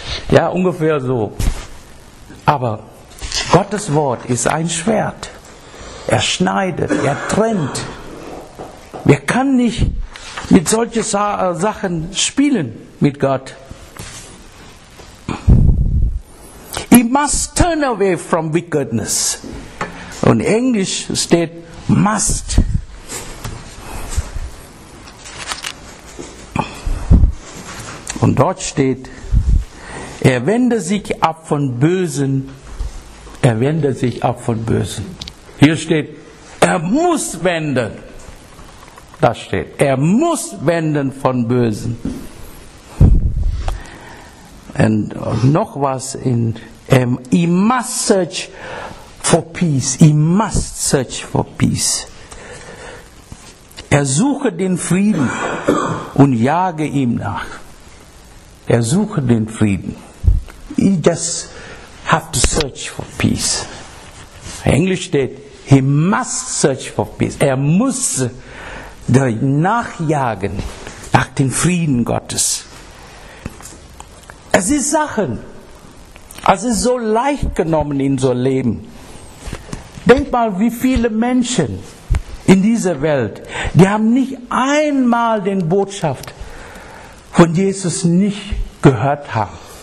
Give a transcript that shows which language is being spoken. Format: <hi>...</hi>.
<de>Ja, ungefähr so. Aber Gottes Wort ist ein Schwert. Er schneidet, er trennt. Wir können nicht mit solchen Sachen spielen mit Gott.</de> <en>He must turn away from wickedness.</en> <de>Und in Englisch steht must. Und dort steht, er wende sich ab von Bösen. Er wende sich ab von Bösen. Hier steht, er muss wenden. Da steht, er muss wenden von Bösen. Und noch was,</de> <en>he must search for peace. He must search for peace.</en> <de>Suche den Frieden und jage ihm nach. Suche den Frieden.</de> <en>He just have to search for peace. English said, he must search for peace.</en> <de>Muss nachjagen nach dem Frieden Gottes. Es ist Sachen, es ist so leicht genommen in so Leben. Denk mal, wie viele Menschen in dieser Welt, die haben nicht einmal den Botschaft von Jesus nicht gehört haben.</de>